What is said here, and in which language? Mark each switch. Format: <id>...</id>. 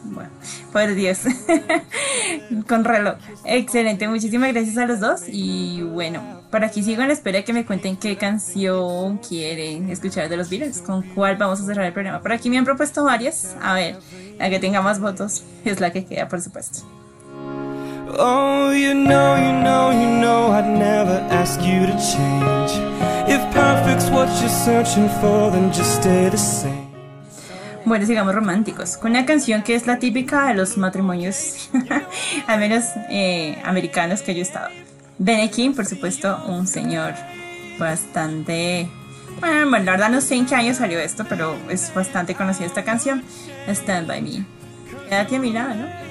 <es>Bueno, por Dios, con reloj. Excelente, muchísimas gracias a los dos. Y bueno, por aquí sigo en la espera de que me cuenten qué canción quieren escuchar de los Beatles, con cuál vamos a cerrar el programa. Por aquí me han propuesto varias. A ver, la que tenga más votos es la que queda, por supuesto.</es> <en>Oh, you know, you know, you know, I'd never ask you to change. If perfect's what you're searching for, then just stay the same.</en> <es>Bueno, sigamos románticos, con una canción que es la típica de los matrimonios, al menos americanos que yo he estado. Benny King, por supuesto, un señor bastante... Bueno, la verdad no sé en qué año salió esto, pero es bastante conocida esta canción, Stand By Me. Quédate a mi lado, ¿no?</es>